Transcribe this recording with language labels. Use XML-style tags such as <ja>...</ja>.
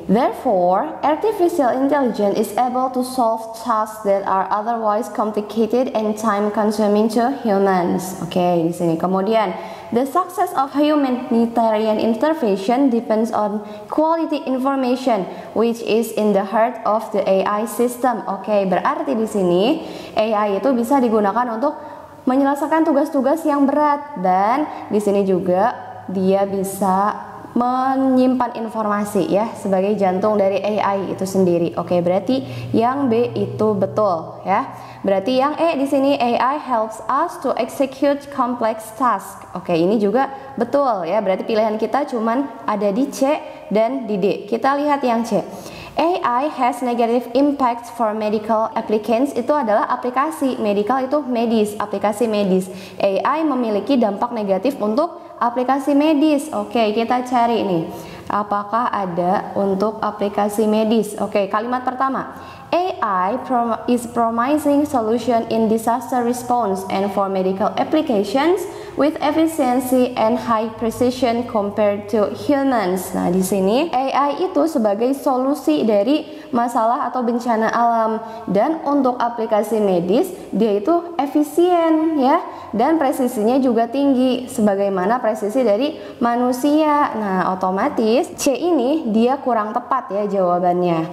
<en>Therefore, artificial intelligence is able to solve tasks that are otherwise complicated and time consuming to humans.</en> <id>Oke, di sini.</id> <en>Kemudian, the success of humanitarian intervention depends on quality information which is in the heart of the AI system.</en> <id>Oke, berarti di sini AI itu bisa digunakan untuk menyelesaikan tugas-tugas yang berat, dan di sini juga dia bisa menyimpan informasi ya sebagai jantung dari AI itu sendiri. Oke, berarti yang B itu betul ya. Berarti yang E di sini,</id> <en>AI helps us to execute complex tasks.</en> <id>Oke, ini juga betul ya. Berarti pilihan kita cuman ada di C dan di D. Kita lihat yang C.</id> <en>AI has negative impact for medical applicants.</en> <id>Itu adalah aplikasi. Medical itu medis, aplikasi medis. AI memiliki dampak negatif untuk aplikasi medis. Oke, kita cari nih. Apakah ada untuk aplikasi medis? Oke, kalimat pertama.</id> <en>AI is promising solution in disaster response and for medical applications with efficiency and high precision compared to humans.</en> <id>Nah, di sini AI itu sebagai solusi dari masalah atau bencana alam, dan untuk aplikasi medis dia itu efisien ya, dan presisinya juga tinggi sebagaimana presisi dari manusia. Nah, otomatis C ini dia kurang tepat ya jawabannya.</id>